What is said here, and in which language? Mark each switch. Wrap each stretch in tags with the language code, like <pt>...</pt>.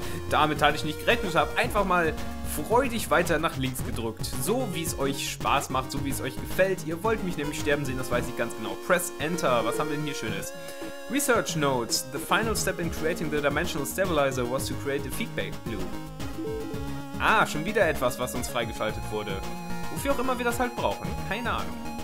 <de>Damit hatte ich nicht gerechnet. Ich habe einfach mal freudig weiter nach links gedrückt. So, wie es euch Spaß macht, so wie es euch gefällt. Ihr wollt mich nämlich sterben sehen, das weiß ich ganz genau.</de> <en>Press Enter.</en> <de>Was haben wir denn hier Schönes?</de> <en>Research Notes. The final step in creating the dimensional stabilizer was to create a feedback loop.</en> <de>Ah, schon wieder etwas, was uns freigeschaltet wurde. Wofür auch immer wir das halt brauchen. Keine Ahnung.</de>